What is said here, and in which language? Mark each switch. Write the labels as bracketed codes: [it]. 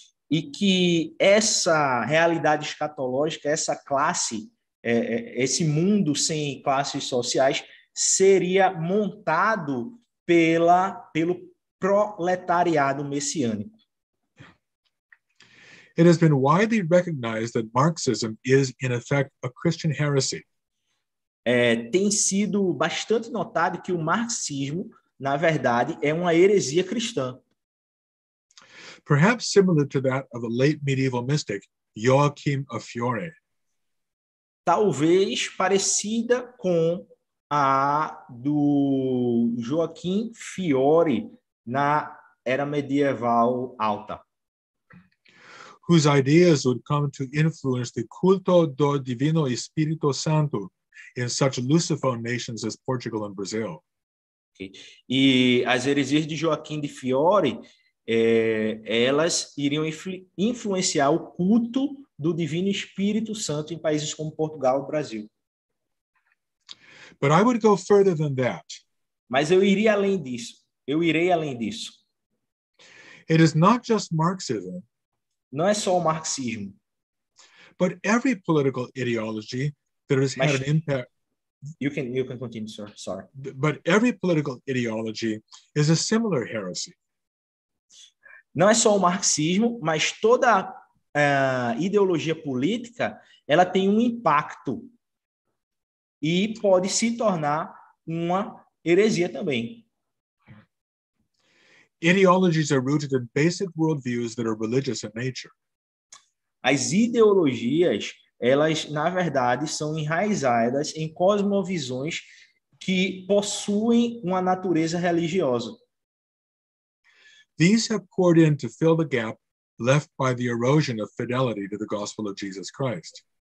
[pt] E que essa realidade escatológica, essa classe, esse mundo sem classes sociais, seria montado pelo proletariado messiânico. [en] It has been widely recognized that Marxism is, in effect, a Christian heresy. [pt] Tem sido bastante notado que o marxismo, na verdade, é uma heresia cristã. [en] Perhaps similar to that of the late medieval mystic Joachim of Fiore. [pt] Talvez parecida com a do Joachim Fiore na era medieval alta. [en] Whose ideas would come to influence the culto do Divino Espírito Santo in such Lusophone nations as Portugal and Brazil. [pt] Okay. E as heresias de Joaquim de Fiore, elas iriam influenciar o culto do Divino Espírito Santo em países como Portugal e Brasil. [en] But I would go further than that. [pt] Mas eu iria além disso. Eu irei além disso. [en] It is not just Marxism. [pt] Não é só o marxismo. [en] But every political ideology that has had an impact. You can continue, sir. Sorry. But every political ideology is a similar heresy. [pt] não é só o marxismo, mas toda a ideologia política, ela tem um impacto e pode se tornar uma heresia também. [en] Ideologies are rooted in basic worldviews that are religious in nature. [pt] As ideologias, elas, na verdade, são enraizadas em cosmovisões que possuem uma natureza religiosa. [en] These have poured in to fill the gap left by the erosion of fidelity to the gospel of Jesus Christ.